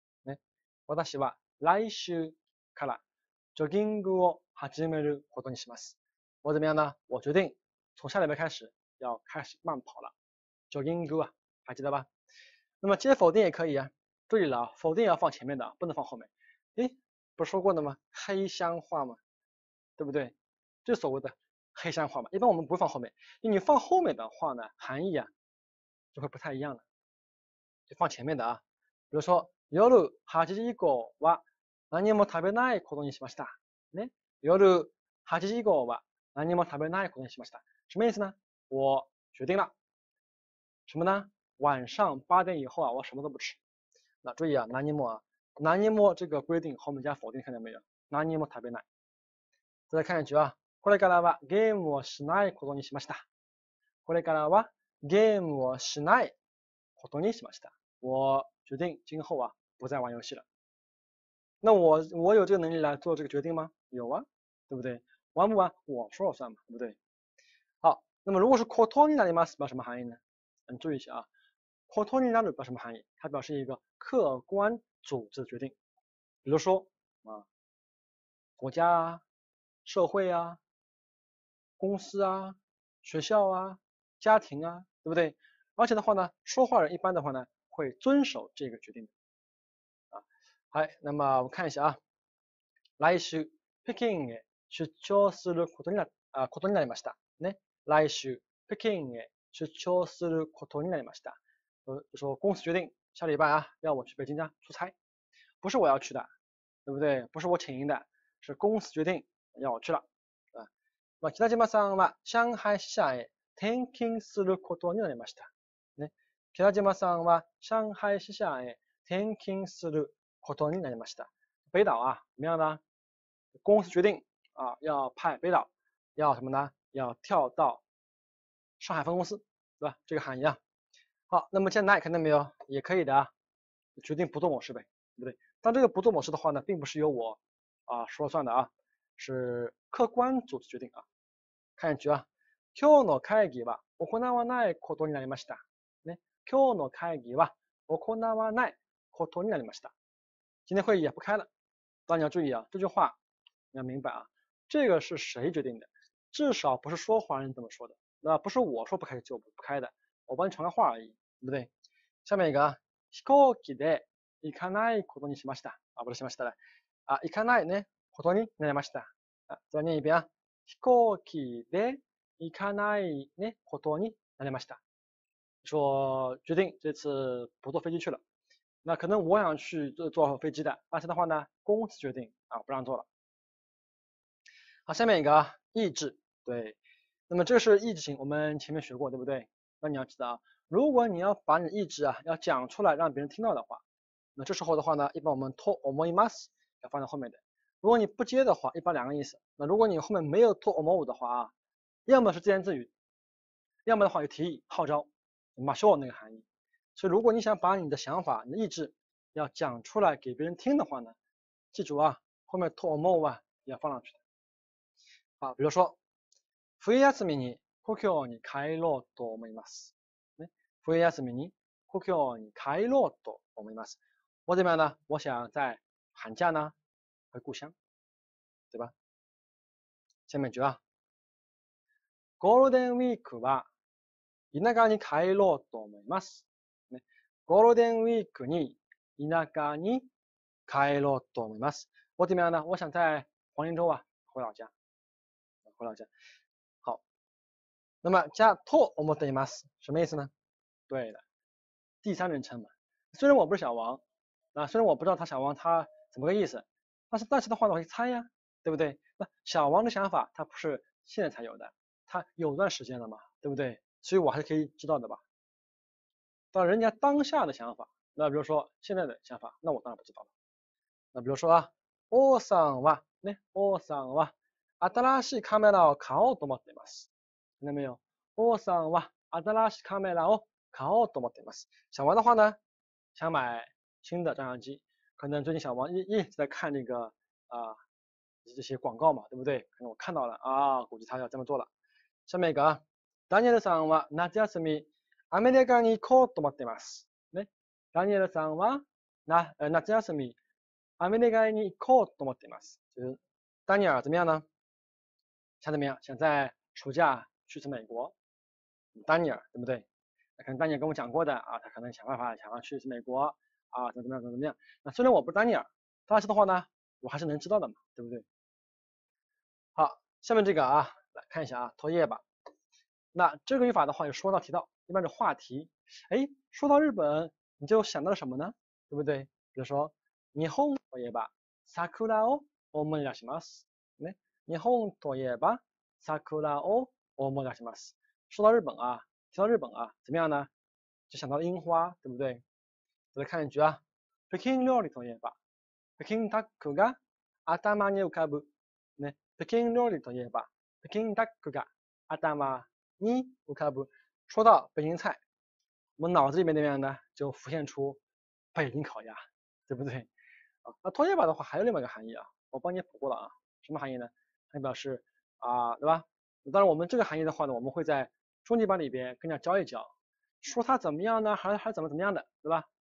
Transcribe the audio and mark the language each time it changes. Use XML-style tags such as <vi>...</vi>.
<ja>네，私は来週からジョギングを始めることにします。</ja> <zh>我怎么样呢？我决定从下礼拜开始要开始慢跑了。ジョギング啊，还记得吧？那么接否定也可以啊。注意了啊，否定要放前面的，不能放后面。诶，不是说过的吗？黑箱话嘛，对不对？这所谓的黑箱话嘛，一般我们不放后面。因为你放后面的话呢，含义啊就会不太一样了。就放前面的啊。比如说，</zh> <ja>夜8時以降は何も食べないことにしました。ね、夜8時以降は何も食べないことにしました。</ja> <zh>什么意思呢？我决定了。什么呢？晚上八点以后啊，我什么都不吃。那注意啊，何も啊，何も这个规定后面加否定，看见没有？</zh> <ja>何も食べない。</ja> <zh>再来看一句啊，</zh> <ja>これからはゲームをしないことにしました。これからはゲームをしないことにしました。</ja> <zh>我决定今后啊不再玩游戏了。那我有这个能力来做这个决定吗？有啊，对不对？玩不玩我说了算嘛，对不对？好，那么如果是ことになります，表什么含义呢？你注意一下啊。ことになる表什么含义？它表示一个客观组织的决定，比如说啊，国家啊、社会啊、公司啊、学校啊、家庭啊，对不对？而且的话呢，说话人一般的话呢，会遵守这个决定的啊。好，那么我看一下啊，</zh> <ja>来週北京へ出張することになあことになりました。ね、来週北京へ出張することになりました。</ja> <zh>就说公司决定下礼拜啊要我去北京家出差，不是我要去的，对不对？不是我请缨的，是公司决定要我去了。</zh> <ja>まあ北島さんは上海支社へ転勤することになりました。ね、北島さんは上海支社へ転勤することになりました。</ja> <zh>北岛啊，怎么样呢？公司决定啊要派北岛要什么呢？要跳到上海分公司，对吧？这个含义啊。好，那么现在看到没有，也可以的啊，决定不做某事呗，对不对？但这个不做某事的话呢，并不是由我啊说了算的啊，是客观组织决定啊。看一句啊，</zh> <ja>今日の会議は行わないことになりました。ね、今日の会議は行わないことになりました。</ja> <zh>今天会议也不开了。但你要注意啊，这句话你要明白啊，这个是谁决定的？至少不是说谎人怎么说的，那不是我说不开就不开的。我帮你传个话而已，对不对？下面一个，</zh> <ja>飛行機で行かないことにしました。啊，</ja> <zh>不是</zh> <ja>しましたね。啊，行かないね、ことになりました。啊，再念一遍啊。飛行機で行かないねことになりました。</ja> <zh>说决定这次不坐飞机去了。那可能我想去坐飞机的，但是的话呢，公司决定啊不让坐了。好，下面一个啊，抑制。对，那么这是抑制型，我们前面学过，对不对？那你要知道啊，如果你要把你的意志啊要讲出来让别人听到的话，那这时候的话呢，一般我们 to 思います要放在后面的。如果你不接的话，一般两个意思。那如果你后面没有 to 思う的话啊，要么是自言自语，要么的话有提议号召，ましょう那个含义。所以如果你想把你的想法、你的意志要讲出来给别人听的话呢，记住啊，后面 to 思う啊也要放上去。啊，比如说，</zh> <ja>冬休みに故郷に帰ろうと思います。冬休みに故郷に帰ろうと思います。</ja> <zh>我怎么样呢？我想在寒假呢回故乡，对吧？下面一句啊，</zh> <ja>ゴールデンウィークは田舎に帰ろうと思います。ゴールデンウィークに田舎に帰ろうと思います。</ja> <zh>我怎么样呢？我想在黄金周啊回老家，回老家。好，那么加と思っています什么意思呢？对的，第三人称嘛。虽然我不是小王，那虽然我不知道他小王他怎么个意思，但是的话呢，我可以猜呀，对不对？那小王的想法他不是现在才有的，他有段时间了嘛，对不对？所以我还是可以知道的吧。但人家当下的想法，那比如说现在的想法，那我当然不知道了。那比如说啊，</zh> <ja>王さんは呢，王さんは新しいカメラを買おうと思っています。</ja> <zh>听到没有？</zh> <ja>王さんは新しいカメラを買おうと思っています。</ja> <zh>小王的话呢，想买新的照相机，可能最近小王一直在看那个啊、这些广告嘛，对不对？可能我看到了啊，估计他要这么做了。下面一个啊，</zh> <ja>ダニエルさんは夏休みアメリカに行こうと思っています。ね、ダニエルさんは夏休みアメリカに行こうと思っています。</ja> <zh>就是丹尼尔怎么样呢？想怎么样？想在暑假去次美国？丹尼尔，对不对？可能丹尼尔跟我讲过的啊，他可能想办法想要去美国啊，怎么样。那虽然我不是丹尼尔，但是的话呢，我还是能知道的嘛，对不对？好，下面这个啊，来看一下啊，拖页吧。那这个语法的话，就说到提到，一般是话题。哎，说到日本，你就想到了什么呢？对不对？比如说，</zh> <ja>日本といえば桜を思い出します。ね、日本といえば桜を思い出します。</ja> <zh>说到日本啊。提到日本啊，怎么样呢？就想到樱花，对不对？再来看一句啊，</zh> <ja>北京料理といえば，北京タックが頭に浮かぶ。ね、北京料理といえば，北京タックが頭に浮かぶ。</ja> <zh>说到北京菜，我们脑子里面怎么样呢？就浮现出北京烤鸭，对不对？啊，那拖曳吧的话还有另外一个含义啊，我帮你补过了啊，什么含义呢？含义表示啊，对吧？当然我们这个含义的话呢，我们会在中级班里边跟人家教一教，说他怎么样呢，还是怎么样的，对吧？</zh>